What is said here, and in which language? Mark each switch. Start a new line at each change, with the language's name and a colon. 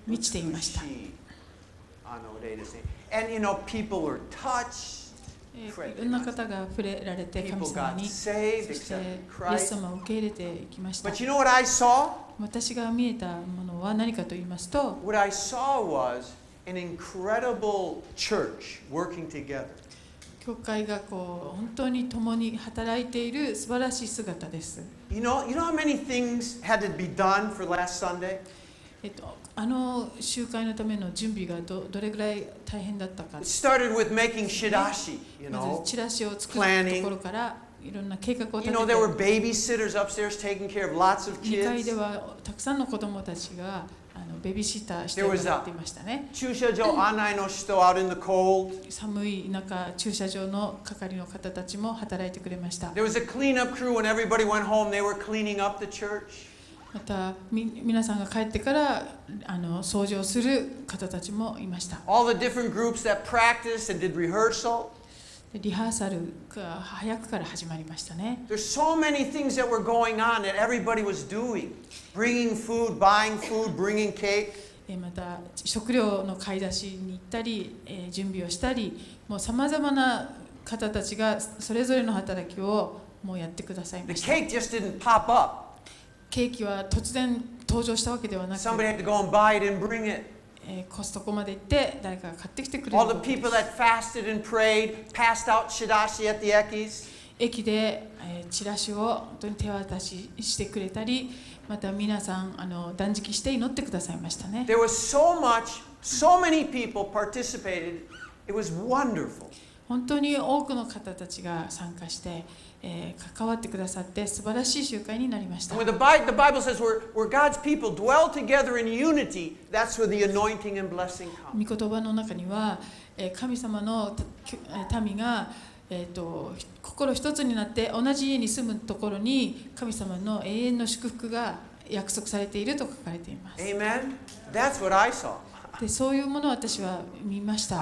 Japanese: 満ちていました。あの霊ですね。
English: And you know, people were touched.
Japanese: いろんな方が触れられて神様に、そしてイエス様を受け入れてきました。
English: But you know what I saw?
Japanese: 私が見えたものは何かと言いますと、
English: What I saw was an incredible church working together.
Japanese: 教会がこう本当に共に働いている素晴らしい姿です。
English: You know how many things had to be done for last Sunday?
Japanese: あの集会のための準備が どれぐらい大変だったか、ね。
English: Started with making shidashi, you know,
Japanese: チラシを作るところからいろんな計画を立てて。
English: You know, there were babysitters upstairs taking care of lots of kids.
Japanese: 2階ではたくさんの子供たちがあのベビーシッターしてもらっていましたね。駐車場案内の人
English: out in the cold.
Japanese: 寒い中駐車場の係の方たちも働いてくれました。
English: There was a cleanup crew when everybody went home. They were cleaning up the church.
Japanese: また皆さんが帰ってからあの掃除をする方たちもいました。
English: All the different groups that practiced and did rehearsal.
Japanese: リハーサルが早くから始まりましたね。
English: There's so many things that were going on that everybody was doing. Bringing food, buying food, bringing cake.
Japanese: また食料の買い出しに行ったり、準備をしたり、もう様々な方たちがそれぞれの働きをもうやってくださいました。
English: The cake just didn't pop up.
Japanese: ケーキは突然登場したわけではなく、
English: Somebody had to go and buy it and bring it.
Japanese: コストコまで行って誰かが買ってきてくれる。
English: All the people that fasted and prayed passed out shidashi at the 駅で、
Japanese: チラシを本当に手渡ししてくれたり、また皆さんあの断食して祈ってくださいましたね。
English: There was so much, so many people participated. It was wonderful.
Japanese: 本当に多くの方たちが参加して。関わってくださって素晴らしい集会になりました。
English: The Bible says where God's people dwell together in unity, that's where the anointing and blessing comes.
Japanese: 御言葉の中には、神様の民が、心一つになって同じ家に住むところに神様の永遠の祝福が約束されていると書かれています。
English: Amen. That's what I saw.
Japanese: で、そういうものを私は見ました。